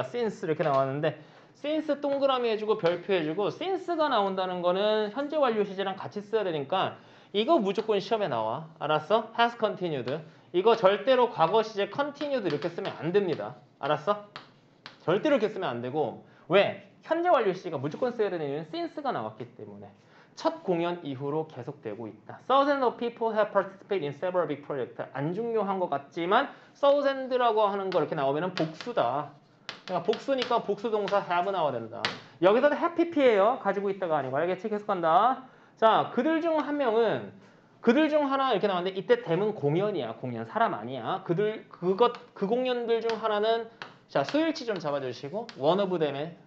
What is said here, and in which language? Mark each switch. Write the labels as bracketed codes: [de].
[ko] since 이렇게 나왔는데 since 동그라미 해주고 별표 해주고 since가 나온다는 거는 현재 완료 시제랑 같이 써야 되니까 이거 무조건 시험에 나와. 알았어? [en] has continued. [ko] 이거 절대로 과거 시제 continued 이렇게 쓰면 안 됩니다. 알았어? 절대로 이렇게 쓰면 안 되고 왜? 현재 완료 시제가 무조건 써야 되는 이유는 since가 나왔기 때문에 첫 공연 이후로 계속되고 있다. [en] Thousands of people have participated in several big projects. [ko] 안 중요한 것 같지만 thousand라고 하는 거 이렇게 나오면 복수다. 그러니까 복수니까 복수동사 have 나와야 된다. 여기서는 happy P예요. 가지고 있다가 아니고. 알겠지? 계속 간다. 자, 그들 중 한 명은 그들 중 하나 이렇게 나왔는데 이때 대문 공연이야. 공연 사람 아니야. 그들 그것 그 공연들 중 하나는 자 수일치 좀 잡아주시고 one of them의